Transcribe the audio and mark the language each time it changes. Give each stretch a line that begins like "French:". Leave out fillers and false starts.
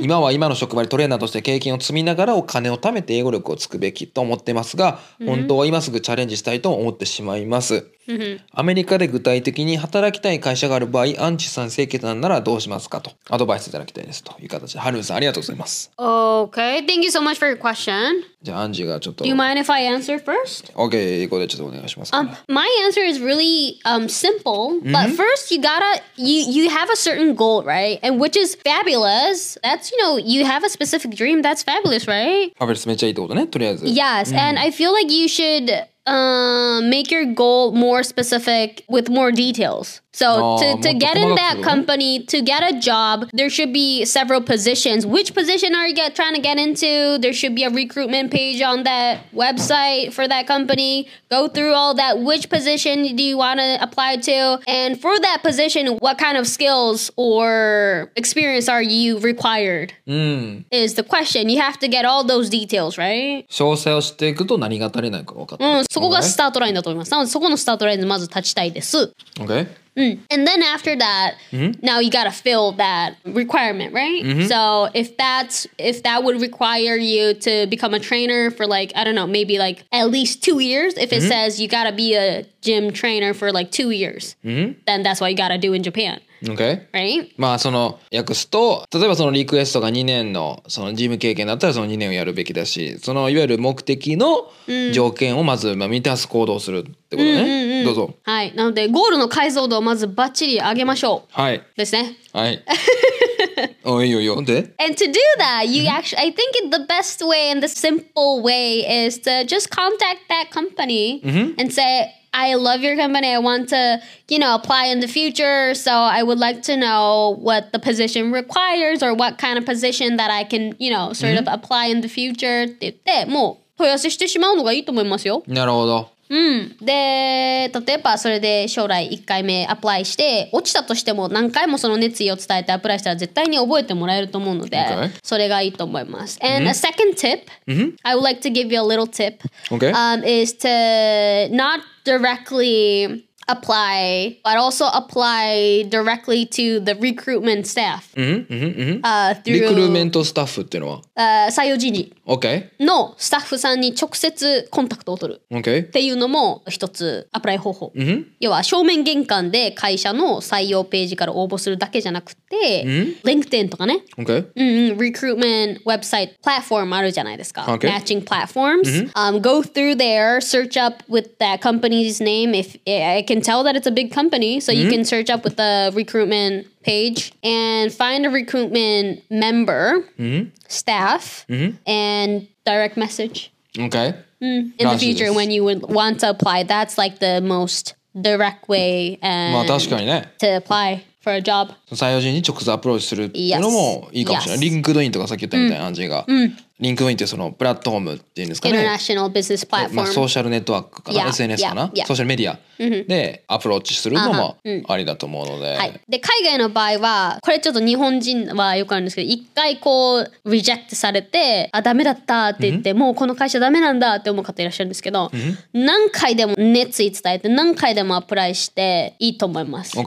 Japanese: 今は今の職場でトレーナーとして経験を積みながらお金を貯めて英語力をつくべきと思ってますが、本当は今すぐチャレンジしたいと思ってしまいます。アメリカで具体的に働きたい会社がある場合アンチさん清潔なんならどうしますかとアドバイスいただきたいですという形でハルンさんありがとうございます
English: OK Thank you so much for your question
Japanese: じゃあアンジがちょっと
English: Do you mind if I answer first?
Japanese: OK ここでちょっとお願いします、
English: My answer is really、simple But first you gotta you have a certain goal right? And which is fabulous That's you know You have a specific dream That's fabulous right?
Japanese: ファベルスめっちゃいいってことねとりあえず
English: Yes and I feel like you shouldmake your goal more specific with more details. So to get in that company, to get a job, there should be several positions. Which position are you trying to get into? There should be a recruitment page on that website for that company. Go through all that. Which position do you want to apply to? And for that position, what kind of skills or experience are you required? Is the question. You have to get all those details, right?
Japanese: 詳細をしていくと何が足りないか分かった。そこがスタートラインだと思います。なのでそこのスタートラインでまず立ちたいです。
English: Okay. And then after that,、 mm-hmm. now you gotta fill that requirement, right?、 Mm-hmm. So if that would require you to become a trainer for like, I don't know, maybe like at least 2 years, if、mm-hmm. it says you gotta be a gym trainer for like 2 years,、 mm-hmm. then that's what you gotta do in Japan. Okay. Right?
Japanese: まあその訳すと、例えばそのリクエストが2年のそのジム経験だったらその2年をやるべきだし、そのいわゆる目的の条件をまず満たす行動をする。ってことね、どうぞはいなのでゴールの解像度をまずバッチリ上げましょうはいですねはいおいいよいいよで
English: And to do that you actually I think the best way and the simple way is to just contact that company and say I love your company I want to you know apply in the future so I would like to know what the position requires or what kind of position that I can you know sort of apply in the future
Japanese: って言ってもう問い合わせしてしまうのがいいと思いますよなるほどで例えばそれで将来1回目アプライして落ちたとしても何回もその熱意を伝えてアプライしたら絶対に覚えてもらえると思うので、
English: okay.
Japanese: それがいいと思います
English: And a second tip、I would like to give you a little tip、 okay. Is to not directly apply but also apply directly to the recruitment staff
Japanese: リクルーメントスタッフっていうのは採用人事
English: Okay.
Japanese: のスタッフさんに直接コンタクトを取る、
English: okay.
Japanese: っていうのも一つアプライ方法、
English: mm-hmm.
Japanese: 要は正面玄関で会社の採用ページから応募するだけじゃなくて、
English: mm-hmm.
Japanese: LinkedIn とかね、
English: okay. Recruitment website platform
Japanese: あるじゃないですか、
English: okay. Matching platforms、 mm-hmm. Go through there search up with that company's name if I can tell that it's a big company so you can search up with the recruitmentpage and find a recruitment member、 mm-hmm. staff、 mm-hmm. and direct message okay in the future when you would want to apply. That's like the most direct way and to apply for a job.
Japanese: 採用時に直接アプローチするっていうのもいいかもしれない。リンクドインとかさっき言ったみたいな感じが。リンクドインってそのプラットフォームっていうんですかね。
English: International business platform。
Japanese: まあソーシャルネットワークかな、SNS かな、ソーシャルメディアでアプローチするのもありだと思うので。はい。で海外の場合はこれちょっと日本人はよくあるんですけど、一回こうリジェクトされて、あダメだったって言って、もうこの会社ダメなんだって思う方いらっしゃるんですけど、何回でも熱意伝えて何回でもアプライしていいと思います。